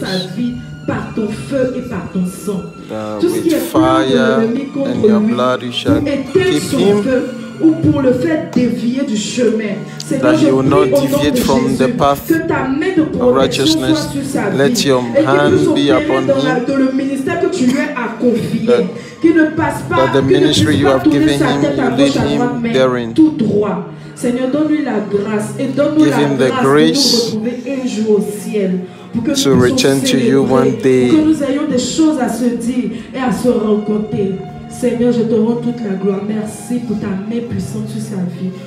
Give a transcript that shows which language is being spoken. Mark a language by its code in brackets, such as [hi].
[fr] Sa vie par ton feu et par ton sang. [en] With fire and your blood, you shall keep him. [fr] Ou pour le fait dévier du chemin. [en] That you will not deviate from the path of righteousness. Let your hand be upon him. That the ministry you have given him, you lead him therein. Give him the grace to return to you one day. [fr] Seigneur, je te rends toute la gloire. Merci pour ta main puissante sur sa vie.